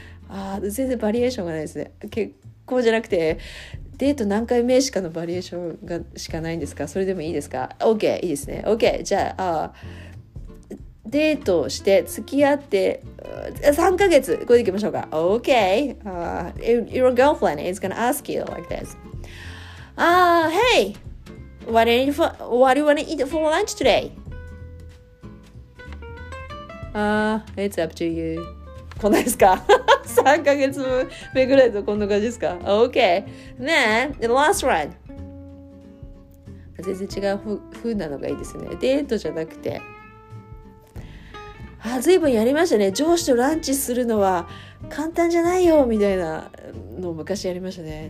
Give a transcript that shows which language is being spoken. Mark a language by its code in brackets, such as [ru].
[ja] ああ、全然バリエーションがないですね。結構じゃなくて、デート何回目しかのバリエーションがしかないんですか？それでもいいですか？OK、いいですね。 OK、じゃあ、デートして付き合って3ヶ月これで行きましょうか。 [en] OK、Your girlfriend is gonna ask you like this、Hey what do you want to eat for lunch today?、It's up to you。 [ja] こんなですか？ 3ヶ月目ぐらいとこんな感じですか？ [en] OK Then the last one。 [ja] 全然違う風なのがいいですね。デートじゃなくて、あ、ずいぶんやりましたね。上司とランチするのは簡単じゃないよみたいなのを昔やりましたね。